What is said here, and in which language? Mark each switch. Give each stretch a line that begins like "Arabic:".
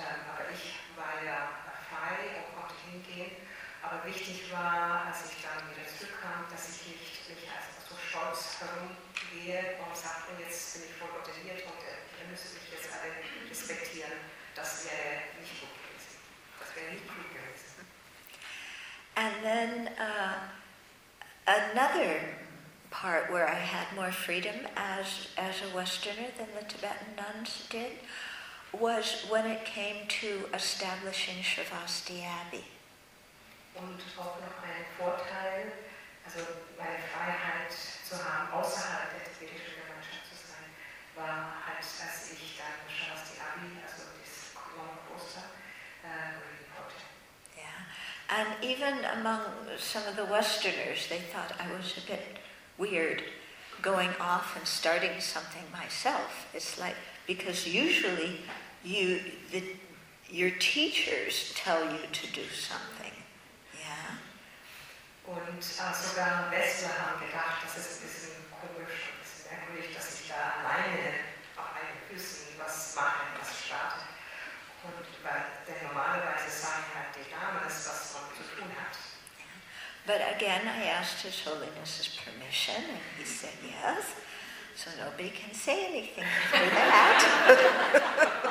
German: Aber ich war ja frei und konnte hingehen. Aber wichtig war, als ich dann wieder zurückkam, dass ich nicht mich als so stolz herumgehe und sage, jetzt bin ich voll ordiniert und ihr müsst mich jetzt alle respektieren. Das wäre nicht gut gewesen. Das wäre nicht gut gewesen.
English: And then another part where I had more freedom as a Westerner than the Tibetan nuns did was when it came to establishing Shravasti Abbey.
German: Und auch noch ein Vorteil, also meine Freiheit zu haben, außerhalb der tibetischen Gemeinschaft zu sein, war halt, dass ich dann Shravasti Abbey, also das Kloster, gründen konnte.
English: Yeah. And even among some of the Westerners, they thought I was a bit weird going off and starting something myself. It's like, because usually your teachers tell you to do something. Yeah.
German: Und sogar Westler haben gedacht, das ist ein bisschen komisch, ein bisschen merkwürdig, dass ich da alleine auf meinen Füßen was mache, was starte. Und denn normalerweise sagen halt die Damen, was man zu tun hat.
English: But again, I asked His Holiness's permission, and he said yes. So nobody can say anything to that.